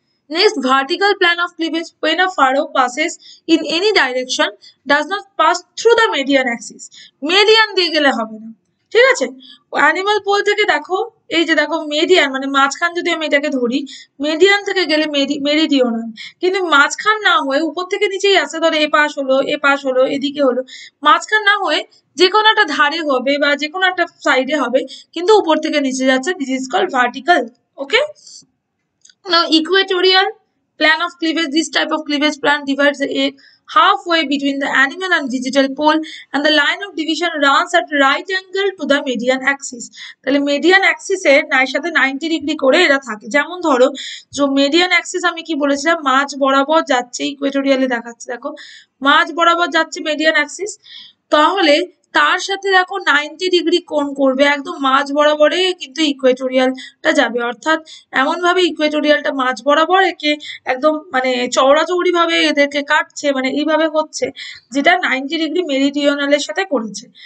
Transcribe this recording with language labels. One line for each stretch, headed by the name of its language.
English: next vertical plane of cleavage, when a furrow passes in any direction does not pass through the median axis,
Bangla: median দিয়ে গেলে হবে না, ঠিক আছে, animal pole থেকে দেখো এই যে দেখো মিডিয়ান মানে মাঝখান, যদি আমি এটাকে ধরি মিডিয়ান থেকে গেলে মেরিডিওনাল, কিন্তু মাঝখান না হয়ে উপর থেকে নিচেই আসে, ধরো এ পাশ হলো এদিকে হলো, মাঝখান না হয়ে যে কোনো একটা ধারে হবে বা যে কোনো একটা সাইডে হবে, কিন্তু উপর থেকে নিচে যাচ্ছে,
English: this is call vertical,
Bangla: okay.
English: Now, equatorial plan of cleavage, this type of cleavage plan divides the egg halfway between the animal and vegetal pole and the line of division runs at right angle to the median axis.
Bangla: তাহলে median axis এর সাথে 90 degree করে এরা থাকে, যেমন ধরো যে median axis আমি কি বলেছিলাম মাঝ বরাবর যাচ্ছে, ইকুয়েটোরিয়ালে দেখাচ্ছে, দেখো মাঝ বরাবর যাচ্ছে median axis, তাহলে তার সাথে দেখো 90 ডিগ্রি কোণ করবে, একদম মাঝ বরাবরে কিন্তু ইকুয়েটোরিয়ালটা যাবে, অর্থাৎ এমন ভাবে ইকুয়েটোরিয়ালটা মাঝ বরাবর একে একদম মানে চৌরাচৌরি ভাবে এদেরকে কাটছে, মানে এইভাবে হচ্ছে, যেটা 90 ডিগ্রি মেরিডিওনালের সাথে করেছে।